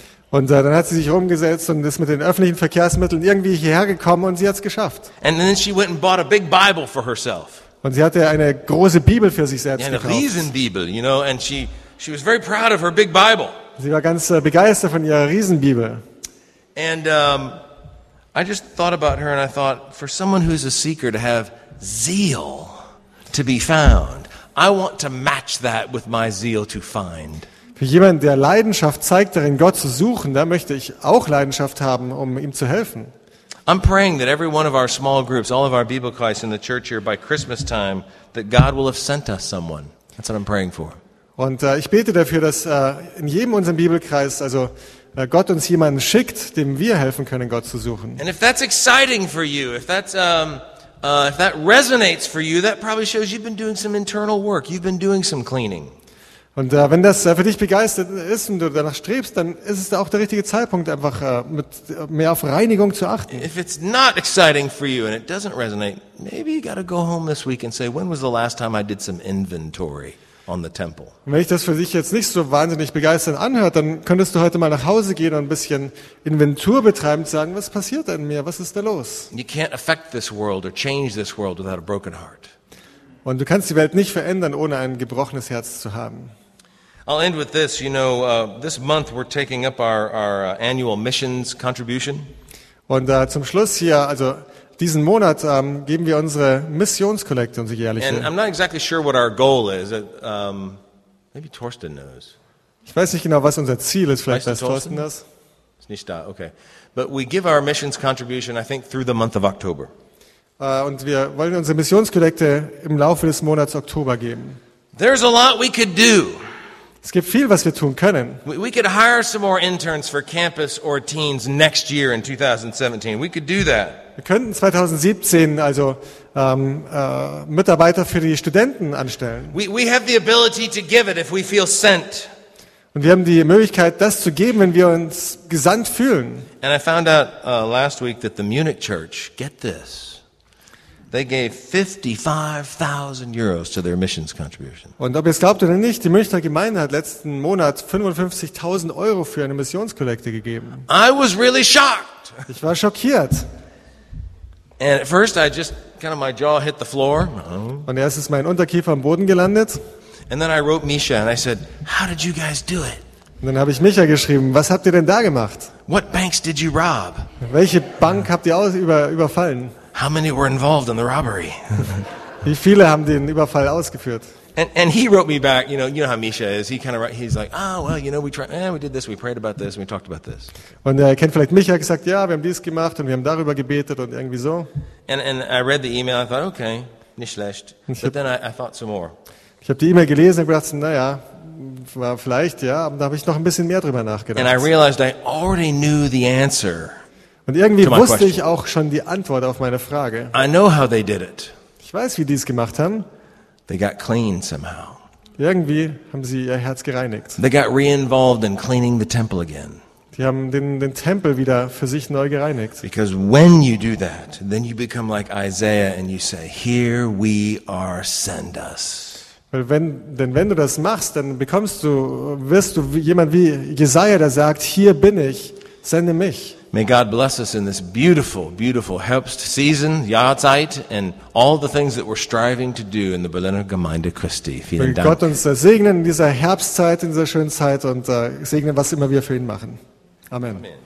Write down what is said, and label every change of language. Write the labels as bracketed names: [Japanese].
[German] Und dann hat sie sich rumgesetzt und ist mit den öffentlichen Verkehrsmitteln irgendwie hierher gekommen und sie hat es geschafft. [English] And then she went and bought a big Bible for herself. [German] Und sie hatte eine große Bibel für sich selbst gekauft. Eine Riesenbibel, [English] you know, and she was very proud of her big Bible. [German] Sie war ganz begeistert von ihrer Riesenbibel. [English] And I just thought about her and I thought, for someone who's a seeker to have zeal to be found, I want to match that with my zeal to find. [German] Für jemanden, der Leidenschaft zeigt, darin Gott zu suchen, da möchte ich auch Leidenschaft haben, um ihm zu helfen. [English] I'm praying that every one of our small groups, all of our Bible class in the church here by Christmas time, that God will have sent us someone. That's what I'm praying for. [German] Und ich bete dafür, dass in jedem unserem Bibelkreis, also Gott uns jemanden schickt, dem wir helfen können, Gott zu suchen. [English] And if that's exciting for you, if that resonates for you, that probably shows you've been doing some internal work, you've been doing some cleaning. [German] Und wenn das für dich begeistert ist und du danach strebst, dann ist es auch der richtige Zeitpunkt, einfach mit mehr auf Reinigung zu achten. [English] If it's not exciting for you and it doesn't resonate, maybe you gotta go home this week and say, when was the last time I did some inventory on the temple? [German] Wenn ich das für dich jetzt nicht so wahnsinnig begeistert anhört, dann könntest du heute mal nach Hause gehen und ein bisschen Inventur betreiben und sagen, was passiert denn mir? Was ist da los? [English] You can't affect this world or change this world without a broken heart. [German] Und du kannst die Welt nicht verändern, ohne ein gebrochenes Herz zu haben. [English] I'll end with this. You know, this month we're taking up our annual missions contribution. [German] Und zum Schluss hier, also diesen Monat geben wir unsere Missionskollekte, unsere jährliche. [English] And I'm not exactly sure what our goal is. Maybe Thorsten knows. [German] Ich weiß nicht genau, was unser Ziel ist. Vielleicht weiß Thorsten das. Ist nicht da. Okay. [English] But we give our missions contribution, I think, through the month of October. [German] Und wir wollen unsere Missionskollekte im Laufe des Monats Oktober geben. [English] There's a lot we could do. [German] Es gibt viel, was wir tun können. [English] We could hire some more interns for campus or teens next year in 2017. We could do that. [German] Wir könnten 2017 also Mitarbeiter für die Studenten anstellen. [English] We have the ability to give it if we feel sent. [German] Und wir haben die Möglichkeit, das zu geben, wenn wir uns gesandt fühlen. [English] And I found out last week that the Munich Church, get this, they gave 55,000 euros to their missions contribution. [German] Und ob ihr es glaubt oder nicht, die Münchner Gemeinde hat letzten Monat 55.000 Euro für eine Missionskollekte gegeben. [English] I was really shocked. [German] Ich war schockiert. [English] And at first I just kind of my jaw hit the floor. [German] Und erst ist mein Unterkiefer am Boden gelandet. [English] And then I wrote Misha and I said, "How did you guys do it?" [German] Und dann habe ich Micha geschrieben, was habt ihr denn da gemacht? [English] What banks did you rob? [German] Welche Bank habt ihr überfallen? [English] How many were involved in the robbery? [German] Wie viele haben den Überfall ausgeführt? [English] And he wrote me back, you know how Misha is. He's like, "Oh, well, you know, we did this, we prayed about this, and we talked about this." [German] Und er kennt vielleicht Micha, gesagt, "Ja, wir haben dies gemacht und wir haben darüber gebetet und irgendwie so." [English] And I read the email, I thought, "Okay, [German] nicht schlecht." [English] But then I thought some more. [German] Ich habe die E-Mail gelesen und gedacht, naja, vielleicht, ja, aber da habe ich noch ein bisschen mehr drüber nachgedacht. [English] And I realized I already knew the answer. [German] Und irgendwie wusste ich auch schon die Antwort auf meine Frage. [English] I know how they did it. [German] Ich weiß, wie die es gemacht haben. [English] They got clean somehow. [German] Irgendwie haben sie ihr Herz gereinigt. [English] They got re-involved in cleaning the temple again. [German] Die haben den Tempel wieder für sich neu gereinigt. [English] Because when you do that, then you become like Isaiah and you say, "Here we are, send us." [German] Wenn du das machst, dann wirst du jemand wie Jesaja, der sagt, hier bin ich, sende mich. [English] May God bless us in this beautiful, beautiful Herbst season, Jahrzeit, and all the things that we're striving to do in the Berliner Gemeinde Christi. [German] Vielen Dank. Möge Gott uns segnen in dieser Herbstzeit, in dieser schönen Zeit und segnen, was immer wir für ihn machen. Amen.